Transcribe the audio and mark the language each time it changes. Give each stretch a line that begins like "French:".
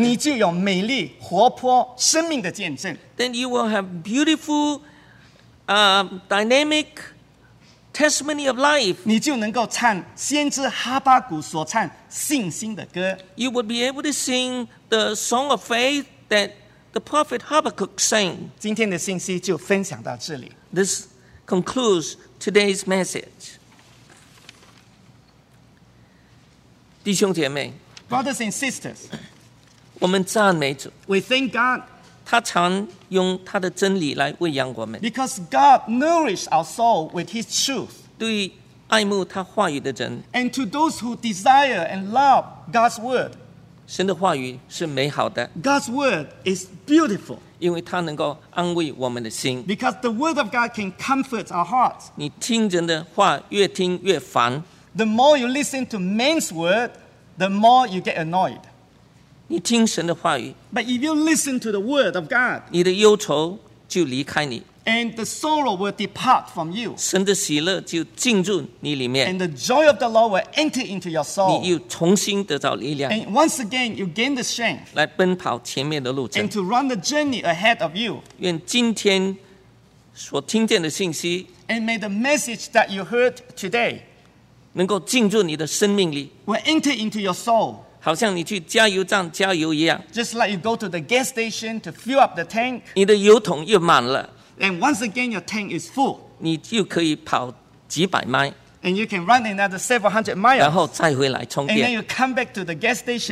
Chinese: 你就有美丽活泼生命的见证。
English: Then you will have beautiful, dynamic testimony of life.
Chinese: 你就能够唱先知哈巴谷所唱信心的歌。
English: You would be able to sing the song of faith. That the prophet Habakkuk sang.
Chinese: 今天的信息就分享到这里。
English: This concludes today's message.
Chinese: 弟兄姐妹
English: Brothers and sisters,
Chinese: 我们赞美主。
English: We thank God.
Chinese: 他常用他的真理来喂养我们。
English: Because God nourished our soul with His truth.
Chinese: 对爱慕他话语的人。
English: And to those who desire and love God's word.
Chinese: 神的话语是美好的。
English: God's word is beautiful.
Chinese: 因为它能够安慰我们的心。
English: Because the word of God can comfort our hearts.
Chinese: 你听人的话越听越烦。
English: The more you listen to man's word, the more you get annoyed.
Chinese: 你听神的话语。
English: But if you listen to the word of God,
Chinese: 你的忧愁就离开你。
English: And the sorrow will depart from you.
Chinese: 神的喜乐就进入你里面。
English: And the joy of the Lord will enter into your soul.
Chinese: 你又重新得到力量。
English: And once again, you gain the strength.
Chinese: 来奔跑前面的路程。
English: And to run the journey ahead of you.
Chinese: 愿今天所听见的信息。
English: And may the message that you heard today.
Chinese: 能够进入你的生命里。
English: Will enter into your soul.
Chinese: 好像你去加油站加油一样。
English: Just like you go to the gas station to fill up the tank.
Chinese: 你的油桶又满了。
English: And once again, your tank is full.
Chinese: 你就可以跑几百迈。
English: And you can run another several hundred miles.
Chinese: 然后再回来充电。
English: And then you come back to the gas station